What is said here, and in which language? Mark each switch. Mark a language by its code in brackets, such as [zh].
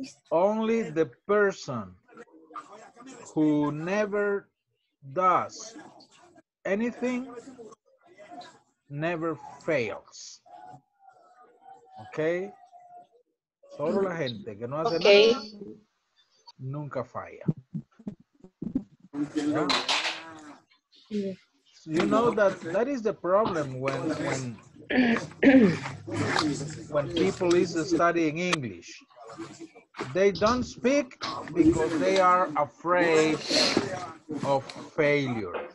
[en] Only the person who never does anything never fails. Okay? [es] Solo la gente que no hace nada nunca falla. [en] You know that is the problem when people is studying English. They don't speak because they are afraid of failure.